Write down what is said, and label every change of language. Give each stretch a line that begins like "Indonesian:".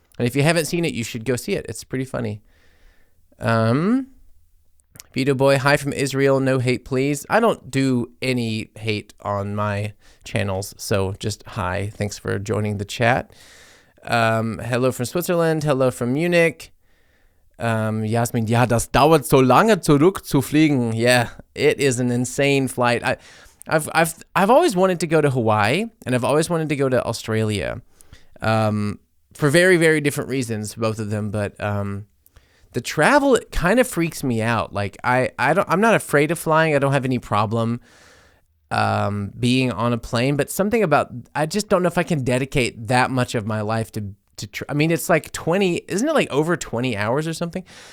English: And if you haven't seen it, you should go see it. It's pretty funny. Vito Boy, hi from Israel. No hate, please. I don't do any hate on my channels, so just hi. Thanks for joining the chat. Hello from Switzerland. Hello from Munich.
German: Jasmin, ja, das dauert so lange zurück zu fliegen.
English: Yeah, it is an insane flight. I've always wanted to go to Hawaii, and I've always wanted to go to Australia, for very, very different reasons, both of them, but the travel kind of freaks me out. Like, I'm not afraid of flying. I don't have any problem being on a plane, but something about, I just don't know if I can dedicate that much of my life to it's like 20, isn't it like over 20 hours or something?